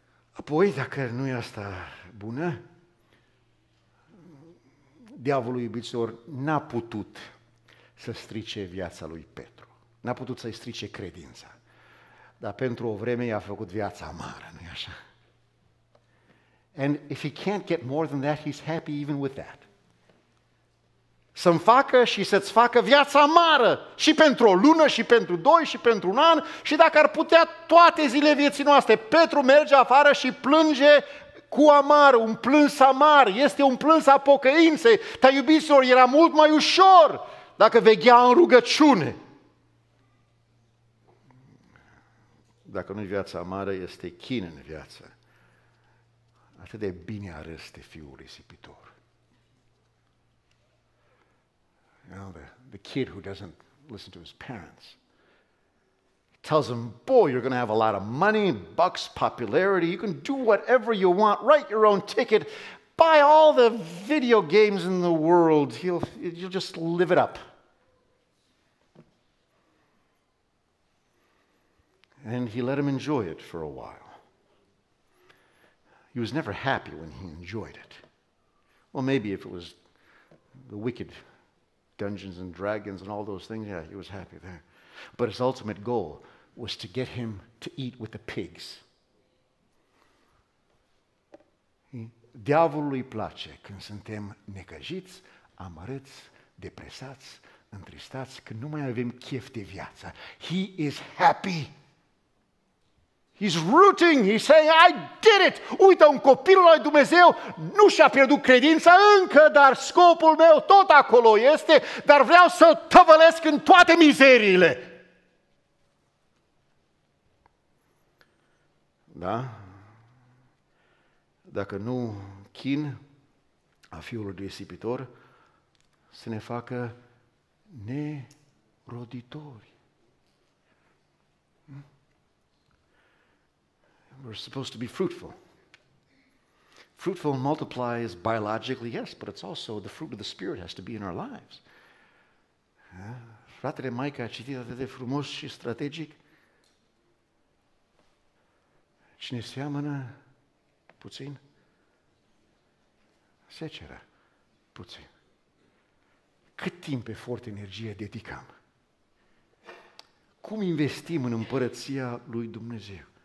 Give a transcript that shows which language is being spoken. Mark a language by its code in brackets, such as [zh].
[ro] Apoi, dacă nu e asta bună, diavolul, iubiților, n-a putut să strice viața lui Petru. N-a putut să-i strice credința. Dar pentru o vreme i-a făcut viața amară, nu-i așa? [en] And if he can't get more than that, he's happy even with that. [ro] Să-mi facă și să-ți facă viața amară și pentru o lună și pentru doi și pentru un an și dacă ar putea toate zile vieții noastre. Petru merge afară și plânge cu amar, un plâns amar, este un plâns a pocăinței. Dar iubiților, era mult mai ușor dacă veghea în rugăciune. Dacă nu-i viața amară, este chin în viață. Atât de bine arăste fiul risipitor. [en] You know, the kid who doesn't listen to his parents. He tells him, boy, you're going to have a lot of money, bucks, popularity. You can do whatever you want. Write your own ticket. Buy all the video games in the world. You'll just live it up. And he let him enjoy it for a while. He was never happy when he enjoyed it. Well, maybe if it was the wicked Dungeons and Dragons and all those things, yeah, he was happy there. But his ultimate goal was to get him to eat with the pigs. [ro] Diavolului place când suntem necăjiți, amărâți, depresați, întristați, când nu mai avem chef de viață. [en] He is happy. He's rooting, he's saying, I did it! [ro] Uite, un copil al lui Dumnezeu nu și-a pierdut credința încă, dar scopul meu tot acolo este, dar vreau să-l tăvălesc în toate mizeriile. Da? Dacă nu chin a fiului risipitor, să ne facă neroditori. [en] We're supposed to be fruitful. Fruitful multiplies biologically, yes, but it's also the fruit of the Spirit has to be in our lives. [ro] Fratele Mike a citit atât de frumos și strategic. Cine seamănă puțin, seceră puțin. Cât timp, efort, energie dedicăm? Cum investim în împărăția lui Dumnezeu?